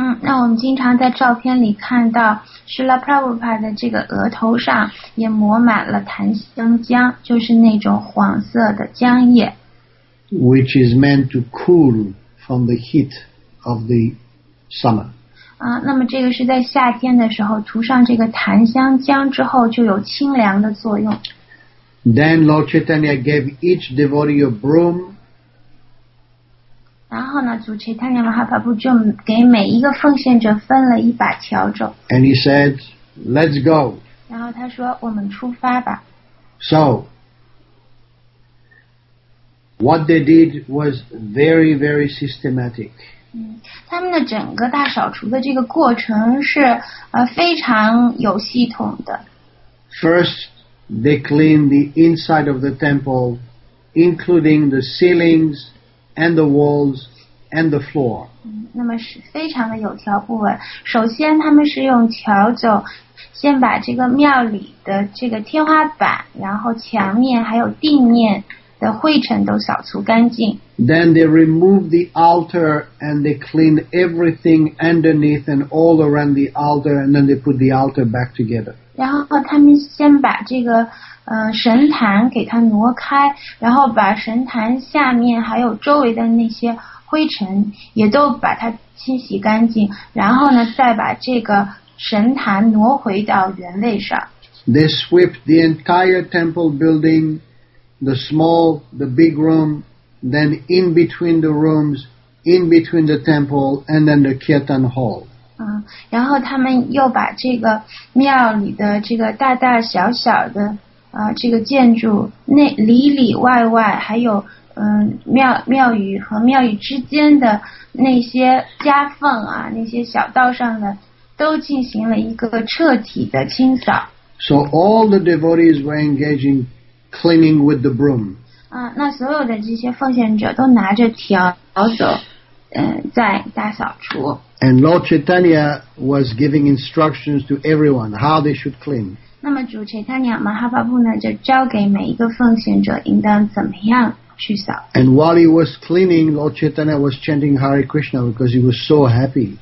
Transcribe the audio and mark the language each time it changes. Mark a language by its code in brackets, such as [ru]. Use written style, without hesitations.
[zh] 那我们经常在照片里看到 Srila Prabhupada 的这个额头上也抹满了檀香浆，就是那种黄色的浆液。 [en] Which is meant to cool from the heat of the summer. [zh] 那么这个是在夏天的时候涂上这个檀香浆之后就有清凉的作用。 [en] Then Lord Chaitanya gave each devotee a broom. [zh] 然后呢，主 Chaitanya Mahaprabhu 就给每一个奉献者分了一把笤帚。 [en] And he said, let's go. [zh] 然后他说，我们出发吧。 [en] So, what they did was very, very systematic. [zh] 他们的整个大扫除的这个过程是非常有系统的。 [en] First, they cleaned the inside of the temple, including the ceilings,and the walls and the floor. [zh] 那么是非常的有条不紊。首先他们是用笤帚先把这个庙里的这个天花板然后墙面还有地面的灰尘都扫除干净。 [en] Then they remove the altar and they clean everything underneath and all around the altar and then they put the altar back together. [zh] 然后他们先把这个神坛给它挪开然后把神坛下面还有周围的那些灰尘也都把它清洗干净然后呢再把这个神坛挪回到原位上 [en] They swept the entire temple building the small, the big room then in between the rooms in between the temple and then the kirtan hall [zh] 然后他们又把这个庙里的这个大大小小的这个建筑内里里外外还有庙宇和庙宇之间的那些夹缝啊那些小道上的都进行了一个彻底的清扫 [en] So all the devotees were engaging cleaning with the broom [zh] 那所有的这些奉献者都拿着笤帚在大扫除 [en] And Lord Chaitanya was giving instructions to everyone how they should clean [zh] 那么主 Chaitanya Mahaprabhu 呢就交给每一个奉献者应当怎么样去扫 [en] And while he was cleaning, Lord Chaitanya was chanting Hare Krishna because he was so happy.